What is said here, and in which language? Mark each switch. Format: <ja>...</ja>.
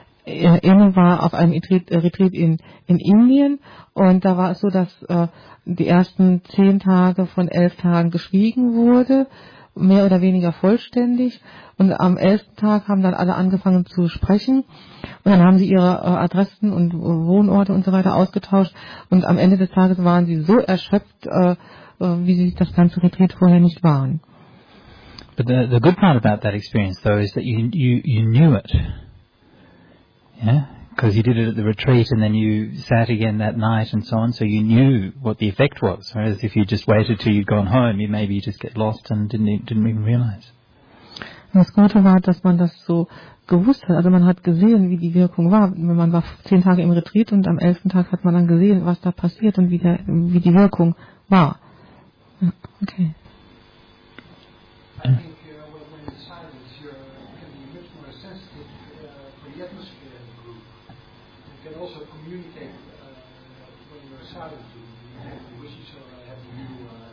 <de>Emma war auf einem Retreat in Indien, und da war es so, dass die ersten 10 Tage von 11 Tagen geschwiegen wurde, mehr oder weniger vollständig. Und am 11. Tag haben dann alle angefangen zu sprechen, und dann haben sie ihre Adressen und Wohnorte und so weiter ausgetauscht. Und am Ende des Tages waren sie so erschöpft, wie sie das ganze Retreat vorher nicht waren.</de> <en>But the good part about that experience, though, is that you knew it, yeah, because you did it at the retreat, and then you sat again that night and so on, so you knew what the effect was, whereas if you just waited till you'd gone home, you maybe just get lost and didn't even realize.</en> <de>Das Gute war, dass man das so gewusst hat, also man hat gesehen, wie die Wirkung war. Man war 10 Tage im Retreat, und am 11. Tag hat man dann gesehen, was da passiert und wie die Wirkung war.</de> <en>Okay. I think when in silence, you can be much more sensitive for the atmosphere in the group. You can also communicate when you're silent, you have the wishes or I have the new</en>